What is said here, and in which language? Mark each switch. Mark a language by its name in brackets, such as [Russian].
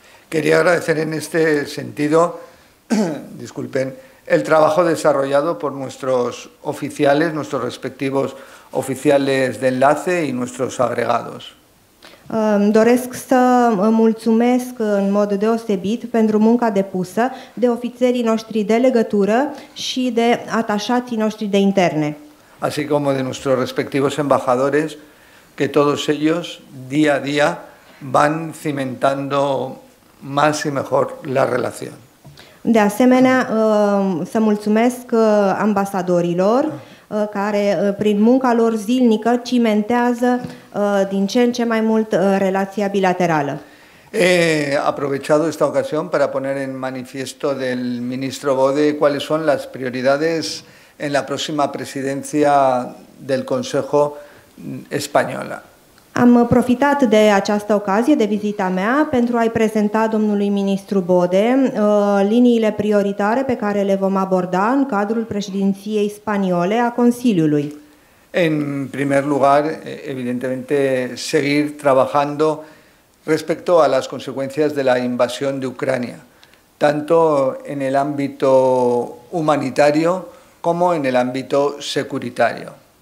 [Spanish] Quería agradecer en este sentido, disculpen, el trabajo desarrollado por nuestros oficiales, nuestros respectivos oficiales de enlace y nuestros agregados. [Romanian] Doresc să mulțumesc în mod deosebit pentru munca depusă de ofițerii noștri de legătură și de atașații noștri de interne. [Spanish] Así como de nuestros respectivos embajadores, que todos ellos día a día van cimentando más y mejor la relación. [Romanian] De asemenea, să mulțumesc ambasadorilor care, prin munca lor zilnică, cimentează din ce în ce mai mult relația bilaterală. [Spanish] He aprovechado esta ocasión para poner en manifiesto del ministro Bode cuáles son las prioridades en la próxima presidencia del Consejo Española. [Romanian] Am profitat de această ocazie, de vizita mea, pentru a-i prezenta domnului ministru Bode liniile prioritare pe care le vom aborda în cadrul președinției spaniole a Consiliului. [Spanish] În primer lugar, evidentemente, seguir trabajando respecto a las consecuencias de la invasión de Ucrania, tanto en el ámbito humanitario como en el ámbito securitario.